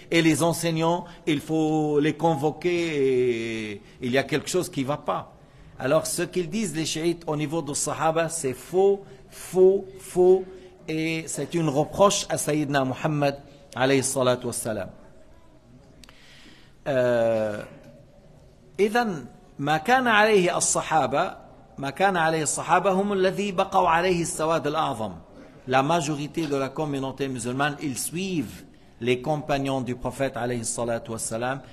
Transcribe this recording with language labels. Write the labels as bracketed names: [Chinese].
[French] Et les enseignants, il faut les convoquer. Il y a quelque chose qui ne va pas. Alors, ce qu'ils disent, les chiites, au niveau de Sahaba, c'est faux, faux, faux. Et c'est une reproche à Sayyidina Muhammad alayhi salat wa salam. [Arabic] إذن ما كان عليه الصحابة ما كان عليه الصحابة هم الذي بقوا عليه السواد الأعظم. [French] La majorité de la communauté musulmane, ils suivent les compagnons du prophète alayhi salat wa salam.